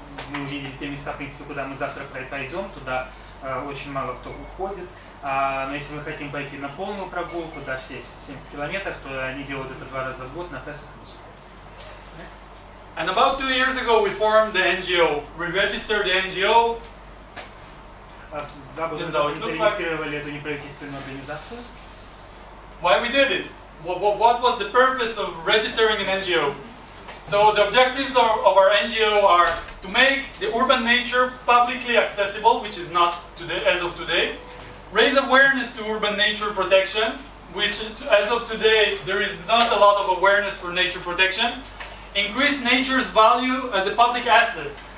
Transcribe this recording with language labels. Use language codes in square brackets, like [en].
[ru] Мы увидели те места, в принципе, куда мы завтра пойдем, туда очень мало кто уходит. Но если мы хотим пойти на полную прогулку, да, все 70 километров, то они делают это два раза в год на Песах. [en] And about 2 years ago we formed the NGO. We registered the NGO. [ru] Да, мы зарегистрировали эту неправительственную организацию. [en] Why we did it? What was the purpose of registering an NGO? So the objectives of our NGO are to make the urban nature publicly accessible, which is not today, as of today, raise awareness to urban nature protection, which as of today there is not a lot of awareness for nature protection, increase nature's value as a public asset.